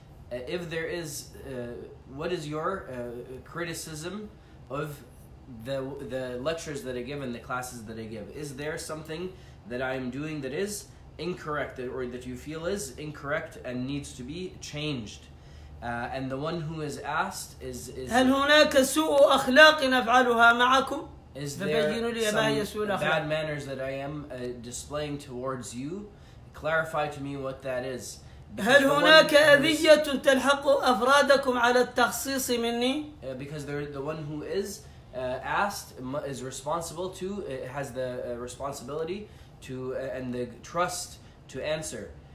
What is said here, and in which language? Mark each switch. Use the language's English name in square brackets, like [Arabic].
[English] If there is, what is your criticism of the lectures that I give and the classes that I give? Is there something that I am doing that is incorrect or that you feel is incorrect and needs to be changed? And the one who is asked is [Arabic] هل هناك سوء أخلاق نفعلها معكم؟ [English] Is there some bad manners that I am displaying towards you? Clarify to me what that is. [Arabic] هل هناك أذية تلحق أفرادكم على التخصيص مني؟ [English] Because the one who is asked is responsible to, has the responsibility to and the trust to answer.